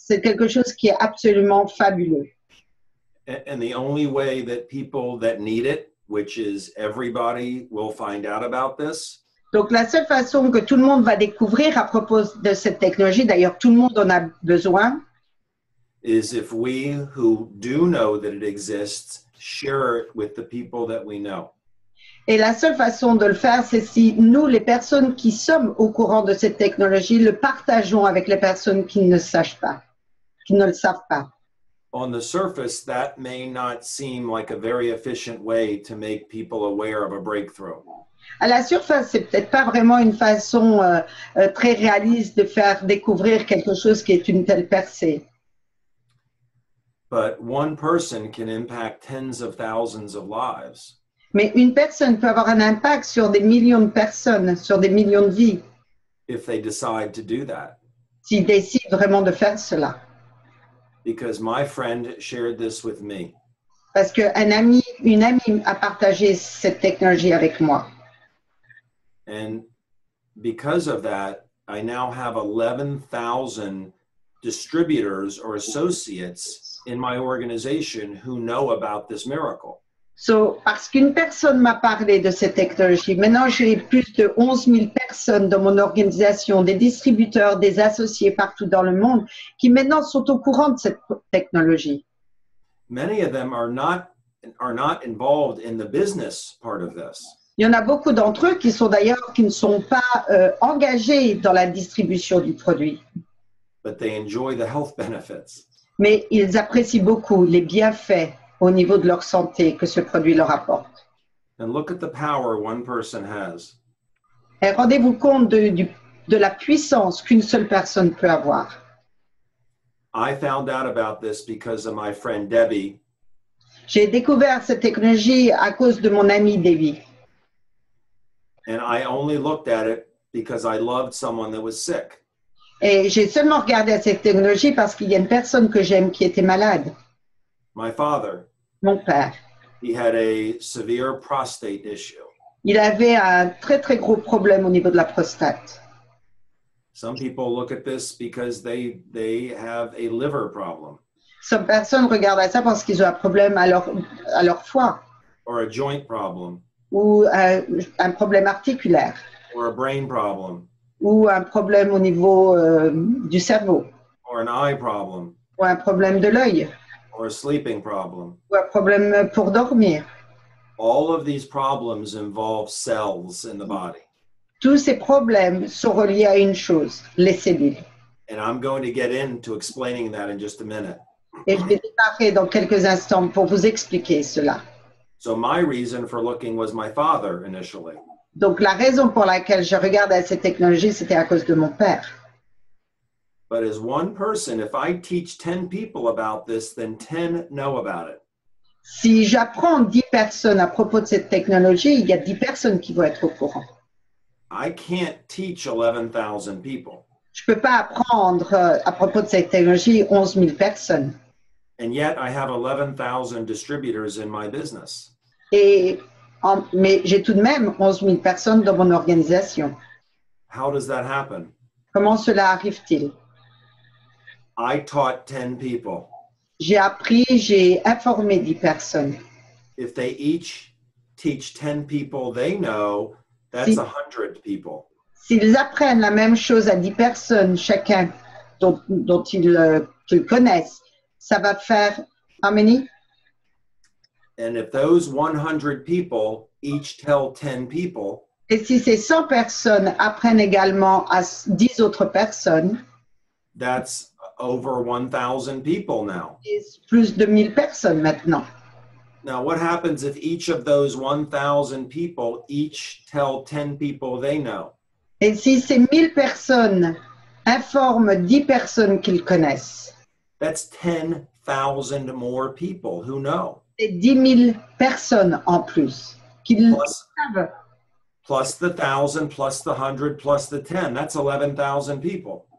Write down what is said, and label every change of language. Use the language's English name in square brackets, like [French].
[French] C'est quelque chose qui est absolument fabuleux. [English] And the only way that people that need it, which is everybody, will find out about this. [French] Donc la seule façon que tout le monde va découvrir à propos de cette technologie, d'ailleurs tout le monde en a besoin, [English] is if we who do know that it exists share it with the people that we know. [French] Et la seule façon de le faire, c'est si nous, les personnes qui sommes au courant de cette technologie, le partageons avec les personnes qui ne le savent pas. [English] On the surface, that may not seem like a very efficient way to make people aware of a breakthrough. [French] À la surface, c'est peut-être pas vraiment une façon très réaliste de faire découvrir quelque chose qui est une telle percée. [English] But one person can impact tens of thousands of lives. [French] Mais une personne peut avoir un impact sur des millions de personnes, sur des millions de vies. [English] If they decide to do that. [French] S'ils décident vraiment de faire cela. [English] Because my friend shared this with me. [French] Parce qu'un ami, une amie a partagé cette technologie avec moi. [English] And because of that, I now have 11,000 distributors or associates in my organization who know about this miracle. [French] So, parce qu'une personne m'a parlé de cette technologie, maintenant j'ai plus de 11 000 personnes dans mon organisation, des distributeurs, des associés partout dans le monde, qui maintenant sont au courant de cette technologie. [English] Many of them are not involved in the business part of this. [French] Il y en a beaucoup d'entre eux qui ne sont pas engagés dans la distribution du produit. [English] But they enjoy the health benefits. [French] Mais ils apprécient beaucoup les bienfaits au niveau de leur santé que ce produit leur apporte. [English] And look at the power one person has. [French] Et rendez-vous compte du de la puissance qu'une seule personne peut avoir. [English] I found out about this because of my friend Debbie. [French] J'ai découvert cette technologie à cause de mon ami Debbie. [English] And I only looked at it because I loved someone that was sick. [French] Et j'ai seulement regardé cette technologie parce qu'il y a une personne que j'aime qui était malade. [English] My father. [French] Mon père. [English] He had a severe prostate issue. [French] Il avait un très très gros problème au niveau de la prostate. [English] Some people look at this because they have a liver problem. [French] Some personnes regardent ça parce qu'ils ont un problème à leur foie. [English] Or a joint problem. [French] Ou un problème articulaire. [English] Or a brain problem. [French] Ou un problème au niveau du cerveau. [English] Or an eye problem. [French] Ou un problème de l'œil. [English] Or a sleeping problem. [French] Ou un problème pour dormir. [English] All of these problems involve cells in the body. [French] Tous ces problèmes sont reliés à une chose, les cellules. [English] And I'm going to get into explaining that in just a minute. [French] Et je vais démarrer dans quelques instants pour vous expliquer cela. [English] So my reason for looking was my father initially. [French] Donc la raison pour laquelle je regardais cette technologie, c'était à cause de mon père. [English] But as one person, if I teach 10 people about this, then 10 know about it. [French] Si j'apprends 10 personnes à propos de cette technologie, il y a 10 personnes qui vont être au courant. [English] I can't teach 11,000 people. [French] Je ne peux pas apprendre à propos de cette technologie 11 000 personnes. [English] And yet I have 11,000 distributors in my business. [French] Mais j'ai tout de même 11 000 personnes dans mon organisation. [English] How does that happen? [French] Comment cela arrive-t-il? [English] I taught 10 people. [French] J'ai appris, j'ai informé 10 personnes. [English] If they each teach 10 people they know, that's 100 people. [French] S'ils apprennent la même chose à 10 personnes chacun dont ils connaissent, ça va faire [English] how many? And if those 100 people each tell 10 people, [French] et si ces 100 personnes apprennent également à 10 autres personnes, [English] that's over 1,000 people now. [French] C'est plus de 1,000 personnes maintenant. [English] Now, what happens if each of those 1,000 people each tell 10 people they know? [French] Et si ces 1,000 personnes informent 10 personnes qu'ils connaissent? [English] That's 10,000 more people who know. [French] C'est 10,000 personnes en plus qu'ils savent. [English] Plus the 1,000, plus the 100, plus the 10. That's 11,000 people.